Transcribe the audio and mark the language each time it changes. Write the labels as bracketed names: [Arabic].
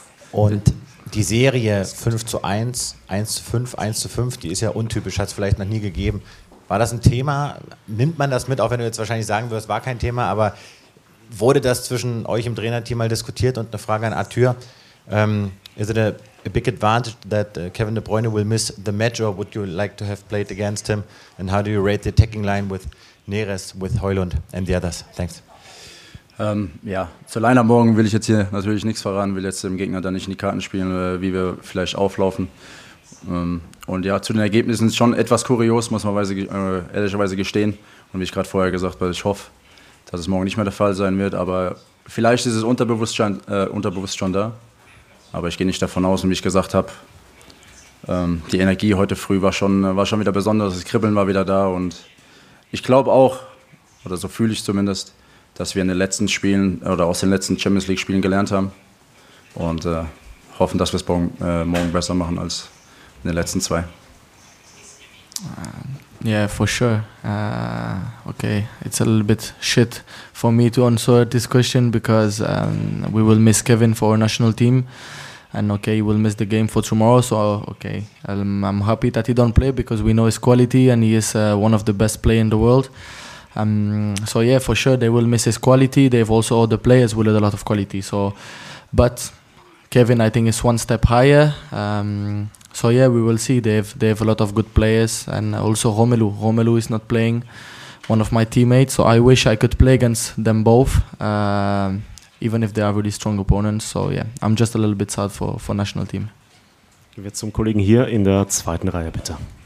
[German] Und die Serie 5-1, 1-5, 1-5, die ist ja untypisch, hat es vielleicht noch nie gegeben. War das ein Thema? Nimmt man das mit, auch wenn du jetzt wahrscheinlich sagen würdest, war kein Thema, aber wurde das zwischen euch im Trainerteam mal diskutiert? Und eine Frage an Arthur. [English] Is it a big advantage that Kevin De Bruyne will miss the match, or would you like to have played against him? And how do you rate the attacking line with Neres, with Højlund and the others? Thanks. [German] Ja, zur Line am Morgen will ich jetzt hier natürlich nichts verraten, will jetzt dem Gegner da nicht in die Karten spielen, wie wir vielleicht auflaufen. Und ja, zu den Ergebnissen ist schon etwas kurios, muss man ehrlicherweise gestehen. Und wie ich gerade vorher gesagt habe, ich hoffe, dass es morgen nicht mehr der Fall sein wird, aber vielleicht ist es unterbewusst schon da. Aber ich gehe nicht davon aus, und wie ich gesagt habe, die Energie heute früh war schon wieder besonders, das Kribbeln war wieder da. Und ich glaube auch, oder so fühle ich zumindest, dass wir in den letzten Spielen oder aus den letzten Champions League Spielen gelernt haben und hoffen, dass wir es morgen besser machen als in den letzten 2. [English] Yeah, for sure. Okay, it's a little bit shit for me to answer this question because we will miss Kevin for our national team, and okay, he will miss the game for tomorrow. So okay, I'm happy that he don't play because we know his quality and he is one of the best players in the world. So yeah, for sure they will miss his quality. They've also all the players with a lot of quality. So, but Kevin, I think is one step higher. So yeah, we will see. They have a lot of good players, and also Romelu. Romelu is not playing, one of my teammates. So I wish I could play against them both, even if they are really strong opponents. So yeah, I'm just a little bit sad for national team. [German] Gehen wir zum Kollegen hier in der zweiten Reihe, bitte.